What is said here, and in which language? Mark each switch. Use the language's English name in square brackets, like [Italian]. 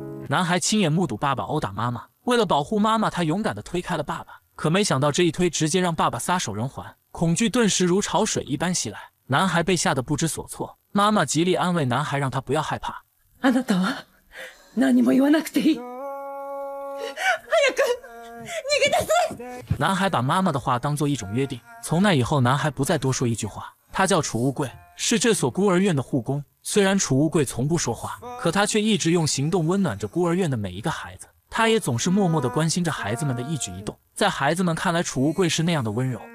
[Chinese] 男孩亲眼目睹爸爸殴打妈妈，为了保护妈妈，他勇敢地推开了爸爸，可没想到这一推直接让爸爸撒手人寰，恐惧顿时如潮水一般袭来，男孩被吓得不知所措。妈妈极力安慰男孩，让他不要害怕。 [Japanese] あなたは何も言わなくていい。早く逃げ出せ。 [Chinese] 男孩把妈妈的话当作一种约定，从那以后男孩不再多说一句话。他叫储物柜，是这所孤儿院的护工。虽然储物柜从不说话，可他却一直用行动温暖着孤儿院的每一个孩子。他也总是默默地关心着孩子们的一举一动。在孩子们看来，储物柜是那样的温柔。